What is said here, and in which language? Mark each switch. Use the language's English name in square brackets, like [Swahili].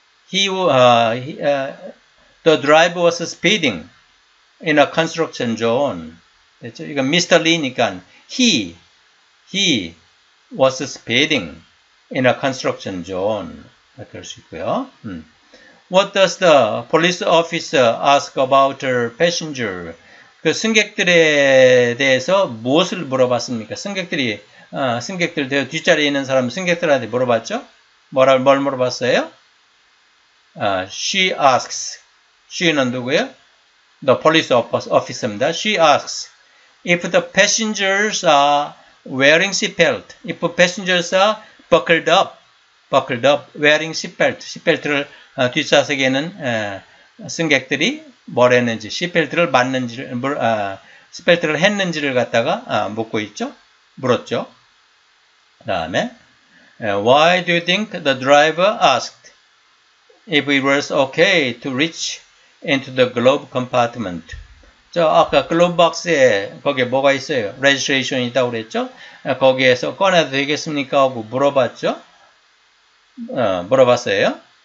[English] The driver was speeding in a construction zone. [Korean] 됐죠? 이건 Mr. Lee니까 [English] he was speeding in a construction zone. [Korean] 이렇게 할 수 있고요. [English] What does the police officer ask about her passenger? [Korean] 그 승객들에 대해서 무엇을 물어봤습니까? 승객들 뒷자리에 있는 사람 승객들한테 물어봤죠? 뭘 물어봤어요? [English] She asks. [Korean] She는 누구예요? [English] The police officer입니다. She asks if the passengers are wearing seatbelt. If passengers are buckled up, wearing seatbelt. [Korean] Seatbelt를 뒷좌석에는 승객들이 뭘 했는지, 시펠트를 맞는지, 시펠트를 했는지를 갖다가 묻고 있죠? 물었죠? 그 다음에, [English] Why do you think the driver asked if it was okay to reach into the glove compartment? [Korean] 저 아까 글로브 박스에 거기에 뭐가 있어요? 레지스트레이션이 있다고 그랬죠? 거기에서 꺼내도 되겠습니까? 하고 물어봤죠? 물어봤어요.